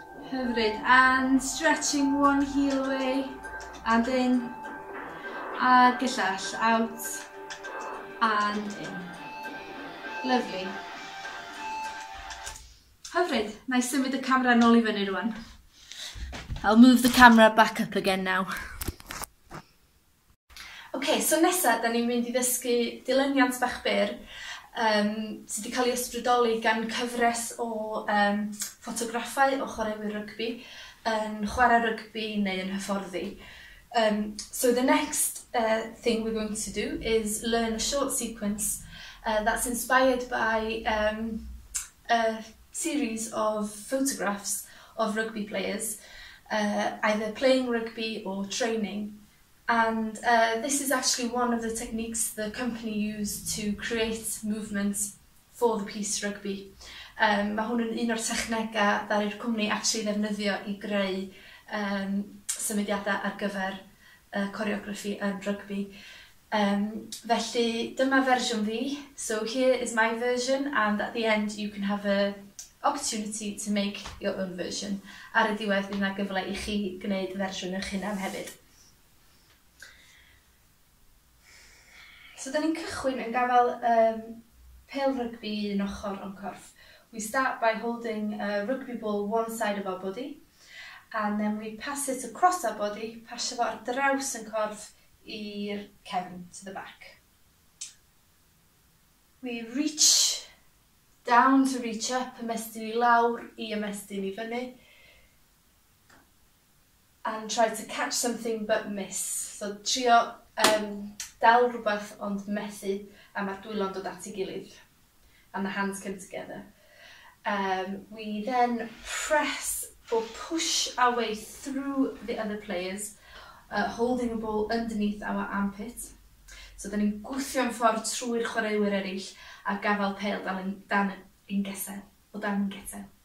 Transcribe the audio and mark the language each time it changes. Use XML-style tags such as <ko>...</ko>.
<cy>Hyfryd.</cy> <en>And stretching one heel away. And in.</en> <cy>Ag y llall.</cy> <en>Out. And in. Lovely.</en> <cy>Hyfryd. Na I symud y camera nôl I fyny rwan.</cy> <en>I'll move the camera back up again now.</en> <cy>Okay, so nesaf, da ni'n mynd I ddysgu dilyniant bach byr sydd wedi cael ei ysbrydoli gan cyfres o ffotograffau o chwaraewyr rygbi yn chwarae rygbi neu yn hyfforddi.</cy> <en>So the next thing we're going to do is learn a short sequence that's inspired by a series of photographs of rugby players, either playing rugby or training. And this is actually one of the techniques the company used to create movements for the piece rugby.</en> <cy>Mae hwn yn un o'r technegau ddaru i'r cwmni actually ddefnyddio I greu symudiadau ar gyfer choreography yn rugby. Felly dyma fersiwn fi.</cy> <en>So here is my version and at the end you can have an opportunity to make your own version.</en> <cy>Ar y diwedd yna gyfle I chi gwneud fersiwn eich hunan hefyd. So dan ni'n cychwyn yn gafael pêl rygbi yn ochr o'n corff.</cy> <en>We start by holding a rygbi ball one side of our body and then we pass it across our body,</en> <cy>pasio fo ar draws yn corff i'r cefn,</cy> <en>to the back. We reach down to reach up,</en> <cy>ymestyn I lawr I ymestyn I fyny</cy> <en>and try to catch something but miss.</en> <cy>So trio dal rhywbeth ond methu a mae'r dwylo'n dod at ei gilydd</cy> <en>and the hands come together. We then press or push our way through the other players holding the ball underneath our armpit.</en> <cy>So dyn ni'n gwthio'n ffordd trwy'r chwaraewyr eraill a gafael pêl dan ein gesau, o dan ein gesau.</cy>